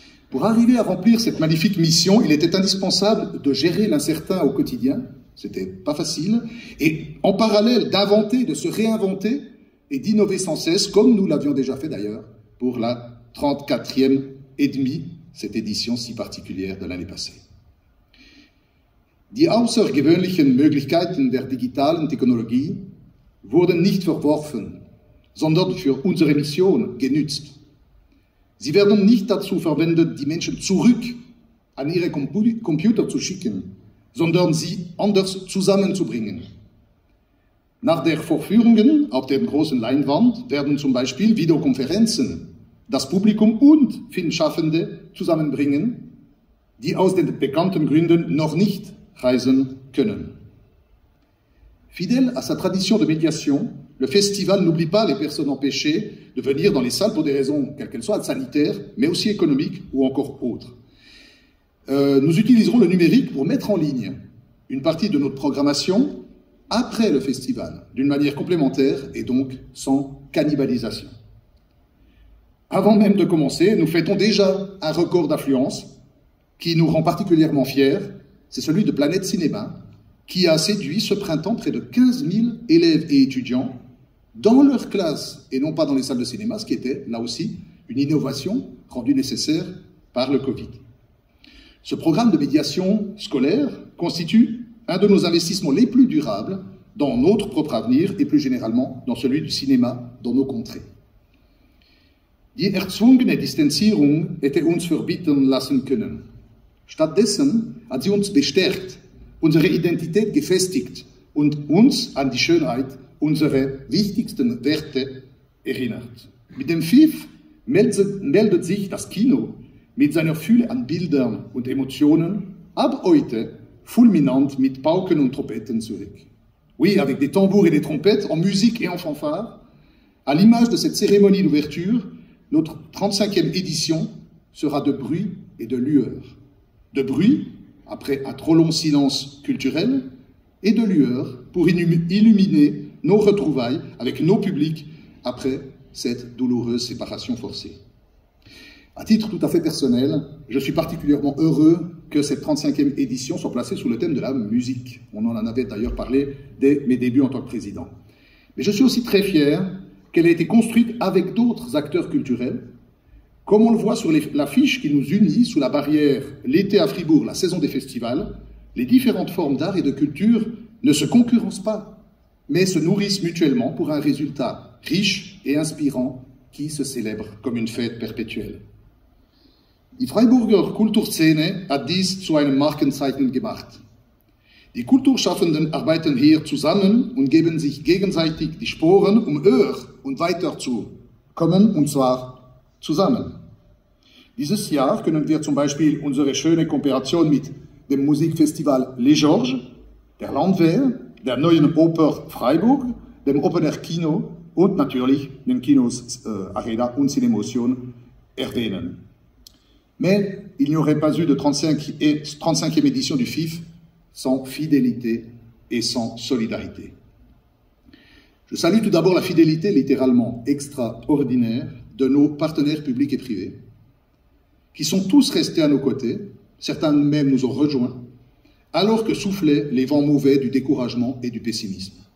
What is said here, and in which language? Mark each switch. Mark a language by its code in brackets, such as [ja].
[fr] Pour arriver à remplir cette magnifique mission, il était indispensable de gérer l'incertain au quotidien, c'était pas facile, et en parallèle d'inventer, de se réinventer et d'innover sans cesse, comme nous l'avions déjà fait d'ailleurs pour la 34e et demie, cette édition si particulière de l'année passée. [de] Die außergewöhnlichen Möglichkeiten der digitalen Technologie wurden nicht verworfen, sondern für unsere Mission genutzt. Sie werden nicht dazu verwendet, die Menschen zurück an ihre Computer zu schicken, sondern sie anders zusammenzubringen. Nach der Vorführungen auf der großen Leinwand werden zum Beispiel Videokonferenzen das Publikum und Filmschaffende zusammenbringen, die aus den bekannten Gründen noch nicht reisen können. [fr] Fidèle à sa tradition de médiation, le festival n'oublie pas les personnes empêchées de venir dans les salles pour des raisons, quelles qu'elles soient, sanitaires, mais aussi économiques ou encore autres. Nous utiliserons le numérique pour mettre en ligne une partie de notre programmation après le festival, d'une manière complémentaire et donc sans cannibalisation. Avant même de commencer, nous fêtons déjà un record d'affluence qui nous rend particulièrement fiers, c'est celui de Planète Cinéma, qui a séduit ce printemps près de 15 000 élèves et étudiants dans leur classe et non pas dans les salles de cinéma, ce qui était là aussi une innovation rendue nécessaire par le Covid. Ce programme de médiation scolaire constitue un de nos investissements les plus durables dans notre propre avenir et plus généralement dans celui du cinéma dans nos contrées. [de] Die erzwungene Distanzierung hätte uns verbieten lassen können. Stattdessen hat sie uns bestärkt, unsere Identität gefestigt und uns an die Schönheit unserer wichtigsten Werte erinnert. Mit dem Pfiff meldet sich das Kino mit seiner Fülle an Bildern und Emotionen ab heute fulminant mit Pauken und Trompeten zurück. [fr] Oui, avec des tambours et des trompettes, en musique et en fanfare, à l'image de cette cérémonie d'ouverture, notre 35e édition sera de bruit et de lueur. De bruit, après un trop long silence culturel, et de lueur pour illuminer nos retrouvailles avec nos publics après cette douloureuse séparation forcée. À titre tout à fait personnel, je suis particulièrement heureux que cette 35e édition soit placée sous le thème de la musique. On en avait d'ailleurs parlé dès mes débuts en tant que président. Mais je suis aussi très fier qu'elle ait été construite avec d'autres acteurs culturels, comme on le voit sur l'affiche qui nous unit sous la barrière « L'été à Fribourg, la saison des festivals », les différentes formes d'art et de culture ne se concurrencent pas, mais se nourrissent mutuellement pour un résultat riche et inspirant qui se célèbre comme une fête perpétuelle. [de] Die Freiburger Kulturszene hat dies zu einem Markenzeichen gemacht. Die Kulturschaffenden arbeiten hier zusammen und geben sich gegenseitig die Sporen, um höher und weiter zu kommen, und zwar zusammen. Dieses Jahr können wir zum Beispiel unsere schöne Kooperation mit dem Musikfestival Les Georges, der Landwehr, der Neuen Oper Freiburg, dem Open Air Kino und natürlich den Kinos Arena und Cinemotion erwähnen. [fr] Mais il n'y aurait pas eu de 35e édition du FIF sans fidélité et sans solidarité. Je salue tout d'abord la fidélité littéralement extraordinaire de nos partenaires publics et privés, qui sont tous restés à nos côtés, certains même nous ont rejoints, alors que soufflaient les vents mauvais du découragement et du pessimisme.